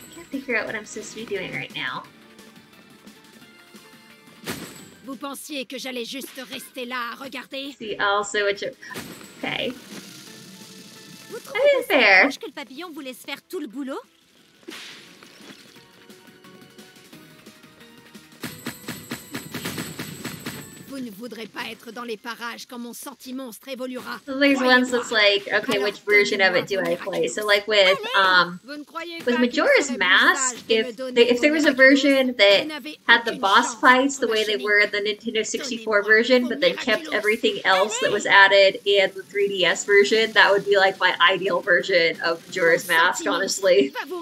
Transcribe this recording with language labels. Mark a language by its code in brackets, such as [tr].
[en] figure out what I'm supposed to be doing right now. [fr] Vous pensiez que j'allais juste rester là à regarder? [en] See also what you're... Okay. [fr] Vous trouvez pas ça étrange que le papillon vous laisse faire tout le boulot? Vous ne voudrez pas être dans les parages quand mon sentimonstre évoluera. [en] There's ones that's like, okay, alors, which version of it do I play? So like with, with Majora's Mask, if there was a version that had the boss fights the way they were in the Nintendo 64 version, but then kept everything else that was added in the 3DS version, that would be like my ideal version of Majora's Mask, honestly.